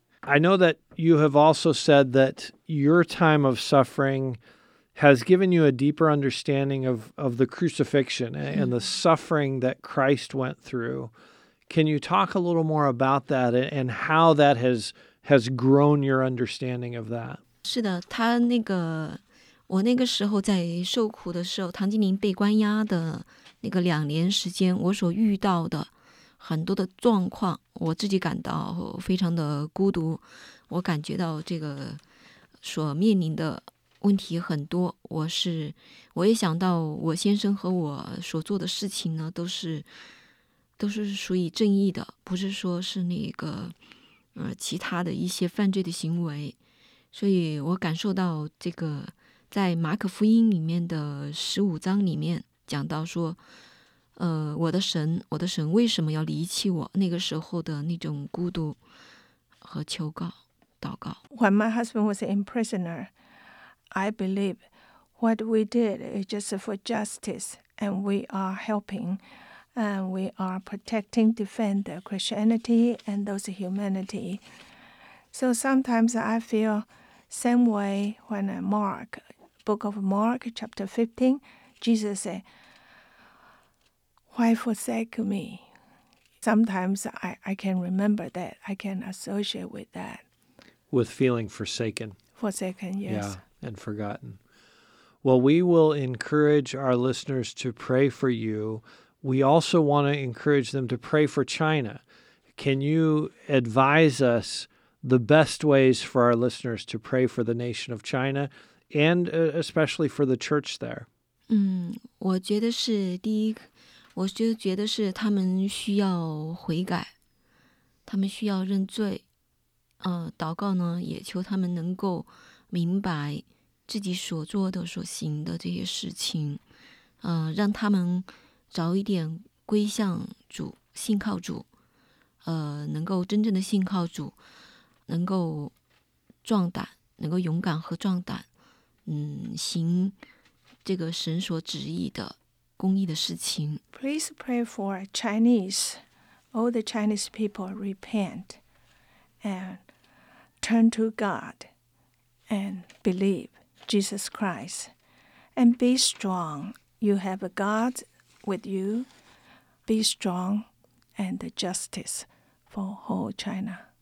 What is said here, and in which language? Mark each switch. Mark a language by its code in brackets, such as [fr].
[en] I know that you have also said that your time of suffering has given you a deeper understanding of the crucifixion and the suffering that Christ went through. Can you talk a little more about that and how that has grown your understanding of that? [zh] 是的，他那个，我那个时候在受苦的时候，唐金林被关押的那个两年时间，我所遇到的很多的状况，我自己感到非常的孤独，我感觉到这个所面临的问题很多，我也想到我先生和我所做的事情呢，都是属于正义的，不是说是那个其他的一些犯罪的行为，所以我感受到这个在马可福音里面的十五章里面讲到说，我的神为什么要离弃我，那个时候的那种孤独和求告祷告。 [en] When my husband was in prisoner, I believe what we did is just for justice, and we are helping and we are protecting, defend the Christianity and those humanity. So sometimes I feel same way when Book of Mark, chapter 15, Jesus said, why forsake me? Sometimes I can remember that. I can associate with that. With feeling forsaken. Forsaken, yes. Yeah, and forgotten. Well, we will encourage our listeners to pray for you. We also want to encourage them to pray for China. Can you advise us the best ways for our listeners to pray for the nation of China and especially for the church there? [zh] 我就觉得是他们需要悔改，他们需要认罪，祷告呢，也求他们能够明白自己所做的、所行的这些事情，让他们早一点归向主，信靠主，能够真正的信靠主，能够壮胆，能够勇敢和壮胆，行这个神所旨意的公义的事情。 [en] Please pray for Chinese, all the Chinese people repent and turn to God and believe Jesus Christ and be strong. You have a God with you. Be strong and justice for whole China.